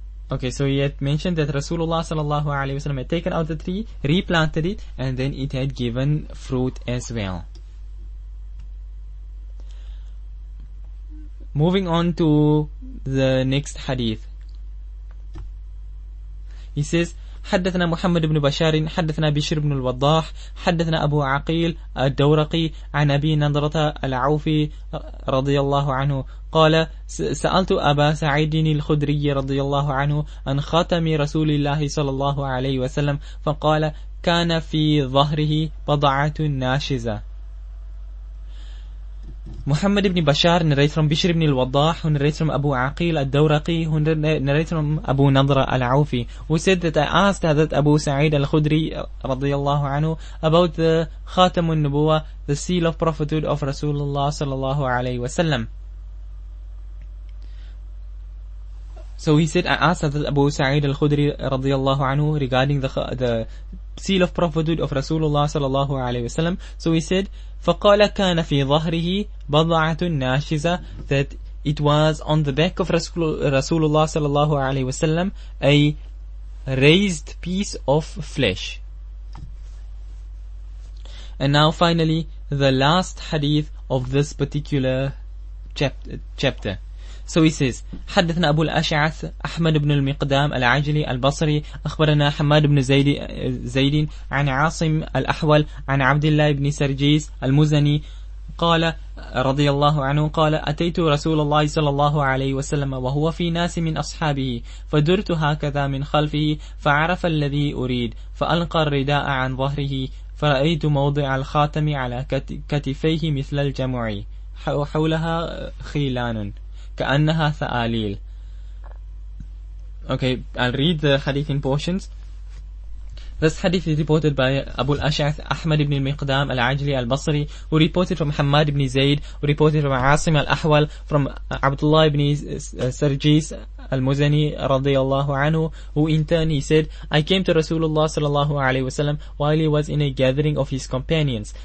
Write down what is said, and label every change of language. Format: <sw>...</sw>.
<en>Okay, so he had mentioned that Rasulullah sallallahu alaihi wasallam had taken out the tree, replanted it, and then it had given fruit as well. Moving on to the next hadith. He says,</en> <ar>حدثنا محمد بن بشار حدثنا بشير بن الوضاح حدثنا أبو عقيل الدورقي عن أبي نضرة العوفي رضي الله عنه قال سألت أبا سعيد الخدري رضي الله عنه عن خاتم رسول الله صلى الله عليه وسلم فقال كان في ظهره بضعة ناشزة.</ar> <en>Muhammad ibn Bashar narrates from Bishr ibn al-Waddah, who narrates from Abu Aqil al-Dawraqi, who narrates from Abu Nadra al-Awfi, who said that I asked Hazrat Abu Sa'id al-Khudri radiyallahu anhu about the Khatam al-Nubuwa, the seal of prophethood of Rasulullah sallallahu alayhi wa sallam. So he said, I asked Hazrat Abu Sa'id al-Khudri radiyallahu anhu regarding the seal of prophethood of Rasulullah sallallahu alayhi wa sallam. So he said,</en> <ar>فَقَالَ كَانَ فِي ظَهْرِهِ بَضْعَةٌ نَاشِزَةٌ,</ar> <en>that it was on the back of Rasulullah sallallahu alayhi wa sallam a raised piece of flesh. And now finally, the last hadith of this particular chapter. So he says,</en> <ar>حدثنا أبو الأشعث أحمد بن المقدام العجلي البصري أخبرنا حماد بن زيد عن عاصم الأحول عن عبد الله بن سرجيس المزني قال رضي الله عنه قال أتيت رسول الله صلى الله عليه وسلم وهو في ناس من أصحابه فدرت هكذا من خلفه فعرف الذي أريد فألقى الرداء عن ظهره فرأيت موضع الخاتم على كتفيه مثل الجمع حولها خيلان كأنها ثآليل.</ar> <en>Okay, I'll read the hadith in portions. This hadith is reported by Abu al-Ash'ath, Ahmad ibn al-Miqdam al-Ajli al-Basri, who reported from Hamad ibn Zayd, who reported from Asim al-Ahwal, from Abdullah ibn Sarjis al-Muzani radiyallahu anhu, who in turn he said, I came to Rasulullah sallallahu alayhi wasallam while he was in a gathering of his companions.</en>